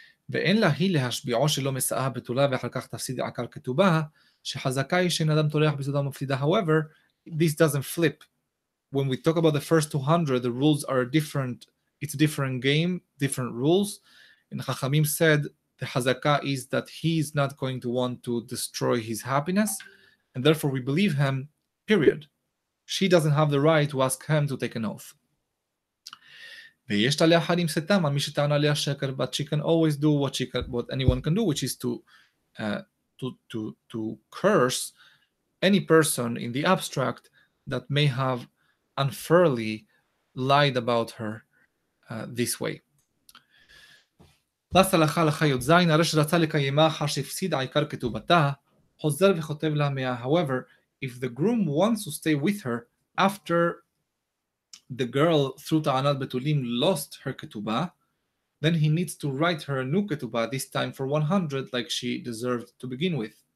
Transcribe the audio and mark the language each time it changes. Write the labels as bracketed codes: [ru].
[he] ואין לה היא להשביעו שלא מסעה בתולה ואחר כך תפסיד עקר כתובה, שחזקה היא שאין אדם תולח בסודה מפסידה. [en] However, this doesn't flip. When we talk about the first 200, the rules are different. It's a different game, different rules. And Chachamim said, the chazaka is that he is not going to want to destroy his happiness, and therefore we believe him, period. She doesn't have the right to ask him to take an oath. [he] ויש עליה אחד עם סתם, מי שטען עליה שקר, [en] but she can always do what she can, what anyone can do, which is to curse any person in the abstract that may have unfairly lied about her this way. [he] לסה לך לך יוד זין, הרי שרצה לקיימה אחר שהפסיד העיקר כתובתה, חוזר וכותב לה מאה. [en] However, if the groom wants to stay with her after the girl through ta'anat betulim lost her ketubah, then he needs to write her a new ketubah, this time for 100, like she deserved to begin with.